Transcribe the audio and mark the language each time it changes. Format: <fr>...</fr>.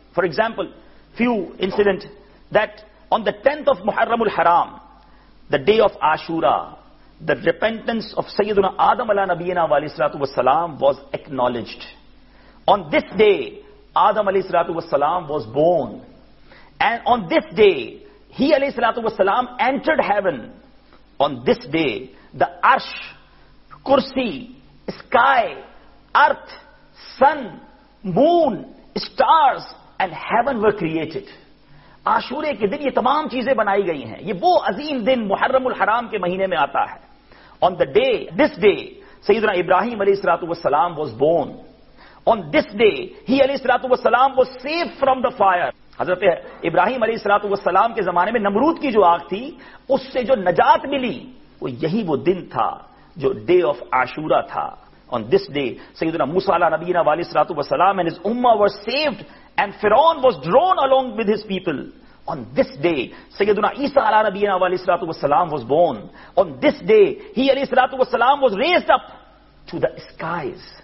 <en>For example few incident that on the 10th of Muharram الحرام, the day of Ashura, the repentance of سیدنا Adam علی نبینا والی صلاحت وسلام was acknowledged. On this day Adam علی صلاحت وسلام was born, and on this day he علی صلاحت وسلام entered heaven. On this day, the arsh, kursi, sky, earth, sun, moon, stars and heaven were created.</en> <ur>آشورے کے دن یہ تمام چیزیں بنائی گئی ہیں. یہ وہ عظیم دن محرم الحرام کے مہینے میں آتا ہے.</ur> <en>On the day, this day, سیدنا Ibrahim علیہ الصلوۃ والسلام was born. On this day, he علیہ الصلوۃ والسلام was saved from the fire.</en> <ur>حضرت ابراہیم علیہ الصلوۃ والسلام کے زمانے میں نمرود کی جو آگ تھی, اس سے جو نجات ملی, وہ یہی وہ دن تھا جو</ur> <en>day of Ashura</en> <ur>تھا.</ur> <en>On this day, Sayyidina Musa ala Nabiyina wa alayhi salatu wa salam and his ummah were saved, and Fir'aun was drawn along with his people. On this day, Sayyidina Isa ala Nabiyina wa alayhi salatu wa salam was born. On this day, he alayhi salatu wa salam was raised up to the skies.</en>